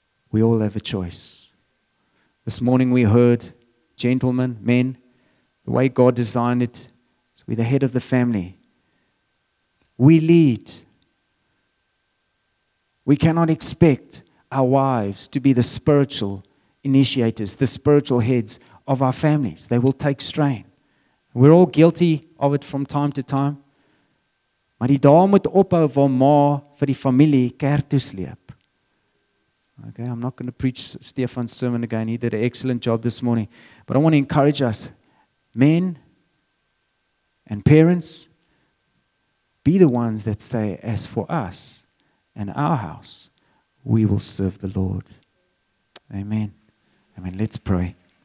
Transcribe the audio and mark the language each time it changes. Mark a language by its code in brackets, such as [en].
[en] We all have a choice. This morning we heard, gentlemen, men, the way God designed it, we're the head of the family. We lead. We cannot expect our wives to be the spiritual initiators, the spiritual heads of our families. They will take strain. We're all guilty of it from time to time. [af] Maar die dae moet ophou waar ma vir die familie kerk toe sleep. [en] Okay, I'm not going to preach Stefan's sermon again. He did an excellent job this morning. But I want to encourage us, men and parents, be the ones that say, as for us and our house, we will serve the Lord. Amen. Amen. Let's pray.